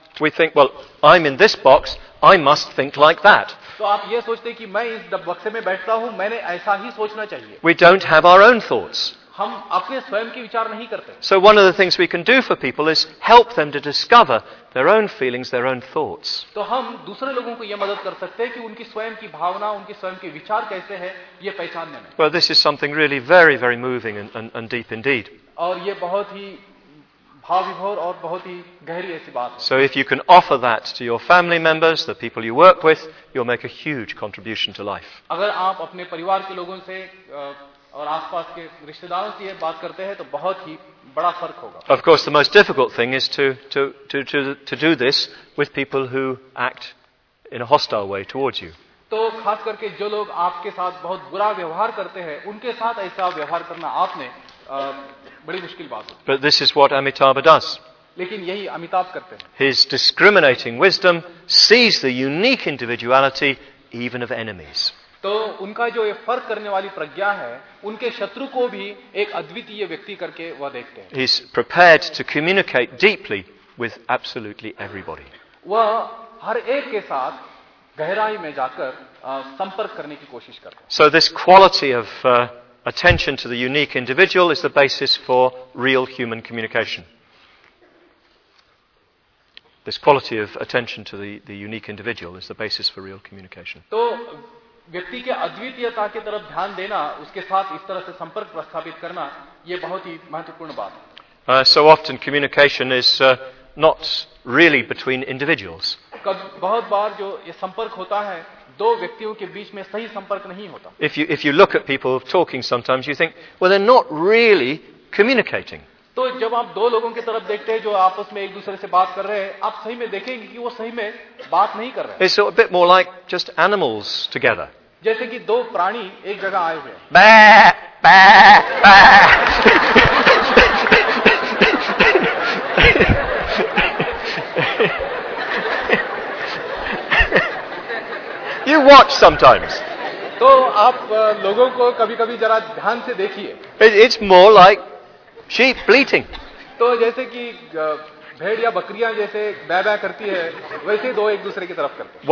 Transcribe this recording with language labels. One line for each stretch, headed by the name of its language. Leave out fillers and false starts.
English: We think, well, I'm in this box, I must think like that.
Hindi: तो आप ये सोचते हैं कि मैं इस बक्से में बैठता हूँ, मैंने ऐसा ही सोचना चाहिए.
English: We don't have our own thoughts.
Hindi: हम अपने स्वयं के विचार नहीं करते.
English: So one of the things we can do for people is help them to discover their own feelings, their own thoughts.
Hindi: तो हम दूसरे लोगों को ये मदद कर सकते हैं कि उनकी स्वयं की भावना, उनके स्वयं के विचार कैसे हैं, ये पहचानने में.
English: Well, this is something really very, very moving and deep indeed.
Hindi: और ये बहुत ही भाविभोर और बहुत ही गहरी ऐसी बात.
English: So if you can offer that to your family members, the people you work with, you'll make a huge contribution to life.
Hindi: अगर आप अपने परिवार के लोगों से और आसपास के रिश्तेदारों से ये बात करते हैं तो बहुत ही बड़ा फर्क होगा.
English: Of course, the most difficult thing is to do this with people who act in a hostile way towards you.
Hindi: तो खास करके जो लोग आपके साथ बहुत बुरा व्यवहार करते हैं उनके साथ ऐसा व्यवहार करना आपने बड़ी मुश्किल बात है.
English: But this is what Amitabha does.
Hindi: लेकिन यही अमिताभ करते हैं.
English: His discriminating wisdom sees the unique individuality even of enemies.
Hindi: तो उनका जो ये फर्क करने वाली प्रज्ञा है उनके शत्रु को भी एक अद्वितीय व्यक्ति करके वह देखते हैं.
English: He is prepared to communicate deeply with absolutely everybody.
Hindi: वह हर एक के साथ गहराई में जाकर संपर्क करने की कोशिश करते हैं.
English: So this quality of attention to the unique individual is the basis for real human communication. This quality of attention to the unique individual is the basis for real communication.
Hindi: तो व्यक्ति के अद्वितीयता की तरफ ध्यान देना, उसके साथ इस तरह से संपर्क प्रस्थापित करना, ये बहुत ही महत्वपूर्ण बात है.
English: So often communication is not really between individuals.
Hindi: बहुत बार जो ये संपर्क होता है दो व्यक्तियों के बीच में सही संपर्क नहीं होता.
English: If you look at people talking sometimes you think well they're not really communicating.
Hindi: तो जब आप दो लोगों की तरफ देखते हैं जो आपस में एक दूसरे से बात कर रहे हैं आप सही में देखेंगे कि वो सही में बात नहीं कर रहे हैं.
English: It's a bit more like just animals together.
Hindi: जैसे कि दो प्राणी एक जगह आए हुए हैं. बा बा बा.
English: You watch sometimes.
Hindi: तो आप लोगों को कभी कभी जरा ध्यान से देखिए.
English: It's more like sheep bleating.
Hindi: तो जैसे कि भेड़ या बकरियां जैसे बै बै करती है वैसे दो एक दूसरे की तरफ करते.